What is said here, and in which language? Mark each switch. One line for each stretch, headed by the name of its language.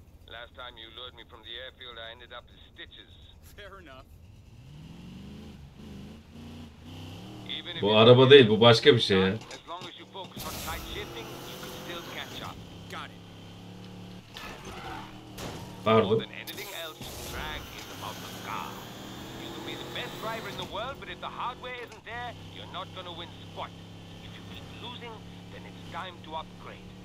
English: Last time you lured me from the airfield, I ended up in stitches. Fair enough. Even if
Turkish: Bu araba değil, bu başka bir şey ya.
English: As long as you focus on tight shifting, you can still catch up. Got it. Pardon. More than anything else, drag is about the car. You can be the best driver in the world, but if the hardware isn't there, you're not gonna win squat. If you keep losing, then it's time to upgrade.